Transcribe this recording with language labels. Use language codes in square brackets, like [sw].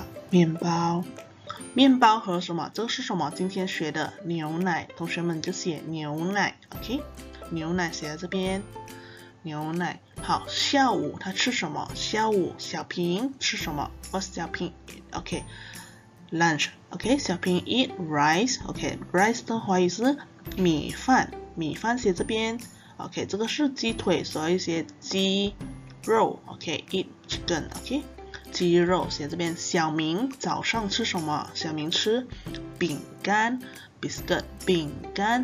[zh] 面包，面包和什么？这是什么？今天学的牛奶，同学们就写牛奶。 OK， 牛奶写在这边，牛奶。好，下午他吃什么？下午小平吃什么？ [en] What's 小平 eat？ OK， lunch。 OK， 小平 eat rice。 [zh] OK， rice 的话是米饭，米饭写这边。 OK， 这个是鸡腿，所以写鸡肉。 [en] OK， eat chicken。 OK， [zh] 鸡肉写这边。小明早上吃什么？小明吃饼干 biscuit， 饼干。